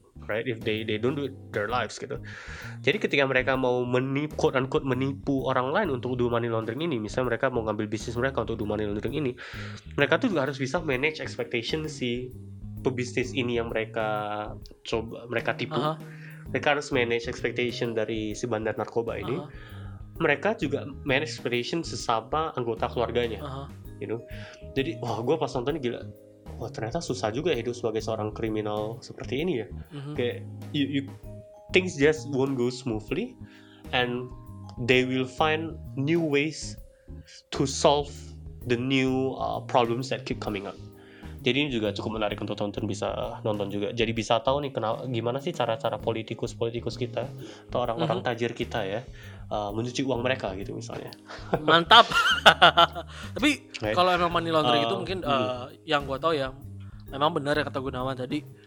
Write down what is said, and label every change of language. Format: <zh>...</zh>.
<en>Right, if they don't do it, their lives</en> <id>gitu. Jadi ketika mereka mau menipu, quote unquote menipu orang lain untuk do money laundering ini, misalnya mereka mau ngambil bisnis mereka untuk do money laundering ini, mereka tuh juga harus bisa manage expectation si pebisnis ini yang mereka coba mereka tipu. Mereka harus manage expectation dari si bandar narkoba ini. Mereka juga manage expectation sesama anggota keluarganya.</id> <en>You know,</en> <id>jadi wah gue pas nonton ini gila. Wah ternyata susah juga hidup sebagai seorang kriminal seperti ini ya.</id> <en>Kayak you things just won't go smoothly and they will find new ways to solve the new problems that keep coming up.</en> <id>Jadi ini juga cukup menarik untuk teman-teman bisa nonton juga. Jadi bisa tahu nih gimana sih cara-cara politikus-politikus kita atau orang-orang tajir kita ya mencuci uang mereka gitu misalnya. Mantap. Tapi right. Kalau emang money laundering itu mungkin yang gue tahu ya, emang benar ya kata Gunawan tadi.</id>